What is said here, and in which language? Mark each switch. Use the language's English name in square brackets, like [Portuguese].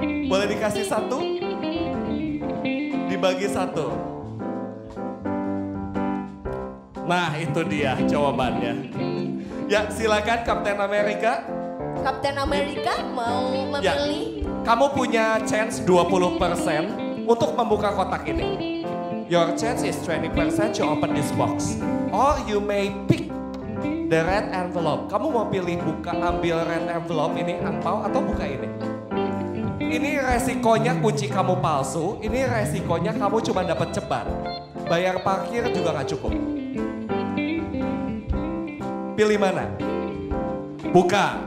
[Indonesian] Boleh dikasih 1? Dibagi 1. Nah, itu dia jawabannya. Ya, silakan Kapten Amerika. Kapten Amerika mau memilih. Ya, kamu punya chance 20% untuk membuka kotak ini. [English] Your chance is 20% to open this box. Or you may pick the red envelope. [Indonesian] Kamu mau pilih buka ambil red envelope ini angpau atau buka ini? Ini resikonya kunci kamu palsu, ini resikonya kamu cuma dapat ceban. Bayar parkir juga gak cukup. Pilih mana? Buka.